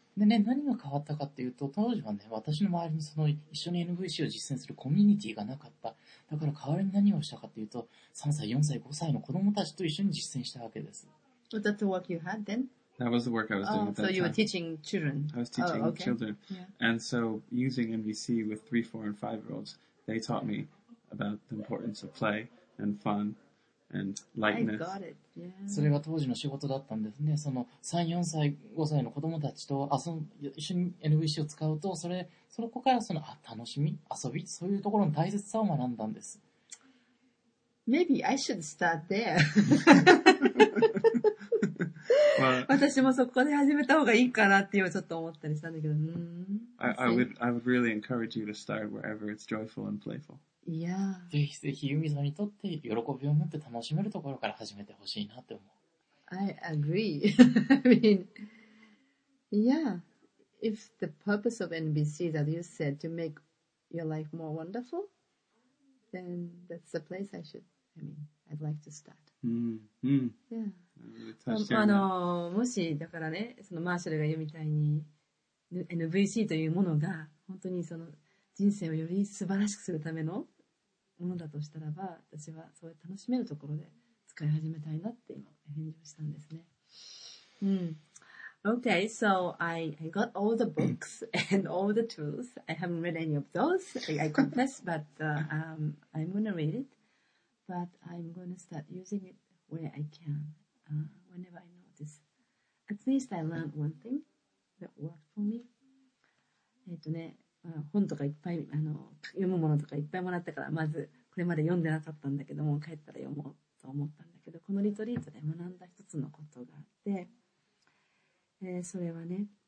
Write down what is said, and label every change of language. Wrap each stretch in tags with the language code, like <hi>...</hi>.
<ja>でね、何が変わったかっていうと、当時はね、私の周りにその一緒に NVC を実践するコミュニティがなかった。だから代わりに何をしたかっていうと、3歳、4歳、5歳の子供たちと一緒に実践したわけです。</ja> <en>But that's the work you had then? That was the work I was doing at that time. So you were teaching children? I was teaching children.、 Yeah. And so using NVC with 3, 4, and 5 year olds, they taught me about the importance of play and fun. And I got it. Yeah.</en> <ja>それが当時の仕事だったんですね。その3、4歳、5歳の子供たちと遊ん一緒に NVC を使うと、それそこからその楽しみ、遊び、そういうところの大切さを学んだんです。</ja> <en>Maybe I should start there.</en> <ja>Well, 私もそこで始めた方がいいかなって今ちょっと思ったりしたんだけど。</ja> <en>I would really encourage you to start wherever it's joyful and playful. Yeah.</en> <ja>ぜひぜひユミさんにとって喜びを持って楽しめるところから始めてほしいなって思う。</ja> <en>I agree. I mean, yeah. If the purpose of NBC that you said to make your life more wonderful, then that's the place I should. I mean, I'd like to start. Mm-hmm. Yeah. Mm-hmm.</en> <ja>もしだからね、そのマーシャルが言うみたいに NBC というものが本当にその人生をより素晴らしくするためのものだとしたらば、私はそうやって楽しめるところで使い始めたいなって今返事をしたんですね。</ja> <en>Okay, so I got all the books and all the tools. I haven't read any of those, I confess, but I'm going to read it. But I'm going to start using it where I can, whenever I notice. At least I learned one thing that worked for me.</en> <ja>まあ、本とかいっぱい読むものとかいっぱいもらったから、まずこれまで読んでなかったんだけども、帰ったら読もうと思ったんだけど、このリトリートで学んだ一つのことがあって、それはね、</ja>